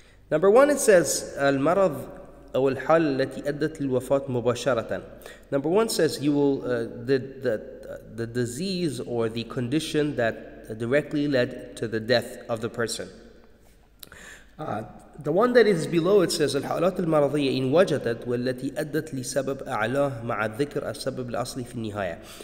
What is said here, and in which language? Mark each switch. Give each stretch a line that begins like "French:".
English: Number one, it says
Arabic: al-marad أو الحال التي أدت للوفاة مباشرة.
English: Number one says you will the disease or the condition that directly led to the death of the person. The one that is below it says
Arabic: الحالات المرضية إن وجدت والتي أدت لسبب أعلاه مع الذكر السبب الأصلي في النهاية.